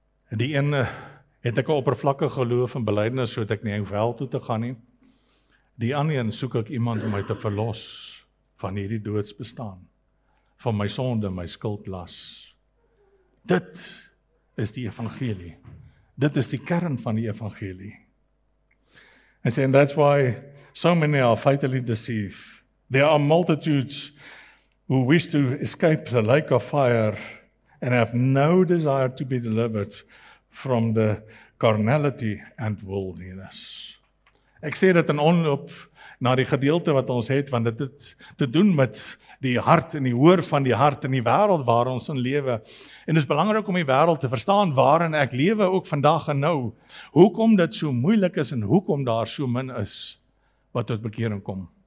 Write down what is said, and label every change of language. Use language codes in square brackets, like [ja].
[af] Die ene, het ek 'n oppervlakkige geloof en belydenis sodat ek nie hel toe te gaan nie. Die ander een, soek ek iemand om my te verlos van hierdie doodsbestaan, van my sonde, my skuldlas. Dit is die evangelie. Dit is die kern van die evangelie. [en] And saying that's why so many are fatally deceived. There are multitudes who wish to escape the lake of fire and have no desire to be delivered from the carnality and worldliness. [af] Ek sê dit in onloop na die gedeelte wat ons het, want dit het te doen met die hart en die hoor van die hart in die wêreld waar ons in lewe. En dit is belangrik om die wêreld te verstaan waarin ek lewe ook vandag en nou. Hoekom dit so moeilik is en hoekom daar so min is wat tot bekering kom.